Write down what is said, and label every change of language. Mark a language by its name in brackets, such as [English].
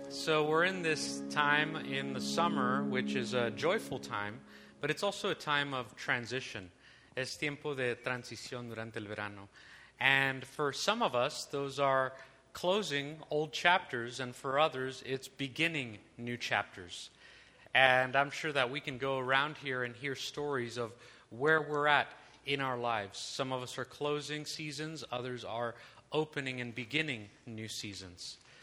[English] So we're in this time in the summer, which is a joyful time, but it's also a time of transition. [Spanish] Es tiempo de transición durante el verano. [English] And for some of us, those are closing old chapters, and for others, it's beginning new chapters. And I'm sure that we can go around here and hear stories of where we're at in our lives. Some of us are closing seasons, others are opening and beginning new seasons.